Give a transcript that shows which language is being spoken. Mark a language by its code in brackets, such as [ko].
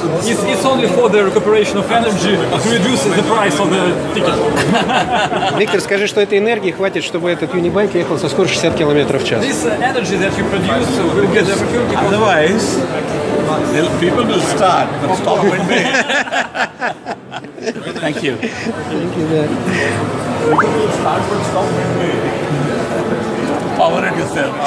[en] It's only for the recuperation of energy to reduce the price of the ticket. [ru] Виктор, скажи, что этой энергии хватит, чтобы этот юнибайк ехал со скоростью 60 км в час. [en] This energy that you produce will get everything. Otherwise, the people will start, but stop when they. Thank you. Power it yourself.